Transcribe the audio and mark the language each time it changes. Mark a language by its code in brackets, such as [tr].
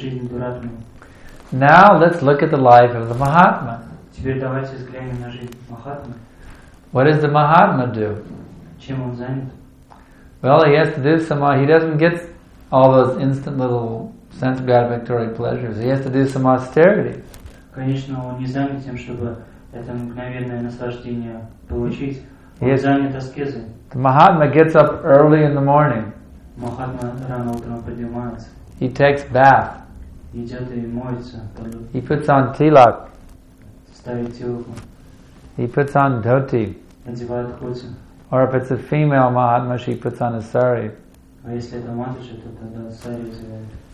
[en] Now let's look at the life of the Mahatma. [ru] Теперь давайте взглянем на жизнь Махатмы. [en] What does the Mahatma do? [ru] Чем он занят? [en] Well, he has to do he doesn't get all those instant little sense gratificatory pleasures. He has to do some austerity. [ru] Конечно, он не занят тем, чтобы это мгновенное наслаждение получить. Он занят аскезой. [en] The Mahatma gets up early in the morning. [ru] Махатма рано утром поднимается. [en] He takes bath. [ru] Идет и моется. [en] He puts on tilak. [ru] Ставит тилаку. [en] He puts on dhoti. [ru] Надевает хоти. [en] Or if it's a female Mahatma, she puts on a sari. [ru] А если это матрица, то тогда сари надевает.